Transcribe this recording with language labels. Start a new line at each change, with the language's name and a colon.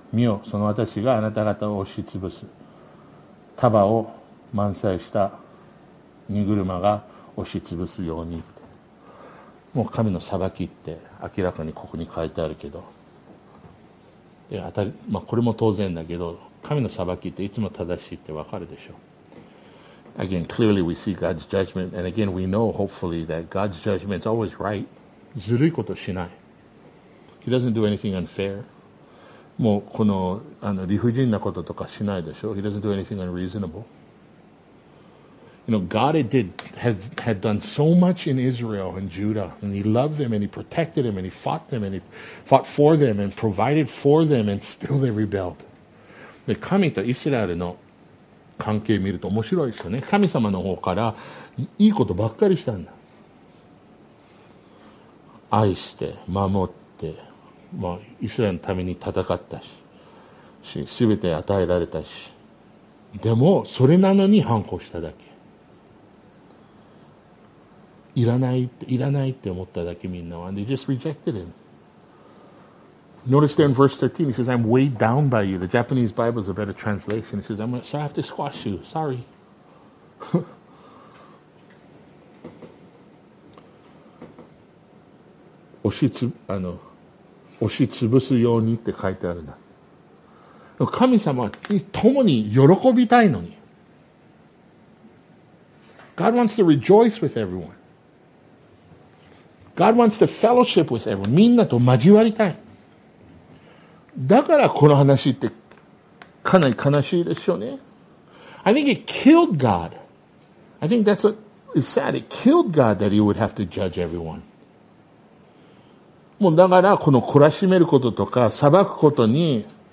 Japanese: 見よ、その私があなた方を押し潰す。束を満載した荷車が押し潰すように。もう神の裁きって明らかにここに書いてあるけど、で当たり、まあ、これも当然だけど、神の裁きっていつも正しいってわかるでしょう。
English: Again, clearly we see God's judgment, and again we know hopefully that God's judgment is always right.
Japanese: ずるいことしない。
English: He doesn't do anything unfair.
Japanese: もうこの、理不尽なこととかしないでしょ。
English: He doesn't do anything unreasonable. You know, God had done so much in Israel and Judah, and He loved them, and He protected them, and He fought them, and He fought for them, and provided for them, and still they rebelled.
Japanese: で、神とイスラエルの関係見ると面白いですよね。神様の方からいいことばっかりしたんだ。愛して、守って、まあ、イスラエルのために戦ったし、すべて与えられたし、でも、それなのに反抗しただけ。いらないって思っただけみんな。
English: And they just rejected him. Notice there in verse 13, he says, I'm weighed down by you. The Japanese Bible is a better translation. He says, I'm sorry, I have to squash you. Sorry.
Japanese: あの、押しつぶすようにって書いてあるな。神様に共に喜びたいのに。
English: God wants to rejoice with everyone. God wants to fellowship with everyone.
Japanese: みんなと交わりたい。だからこの話ってかなり悲しいでしょうね。
English: I think it killed God. I think that's what is sad. It killed God that he would have to judge everyone.
Japanese: もうだからこの懲らしめることとか裁くことに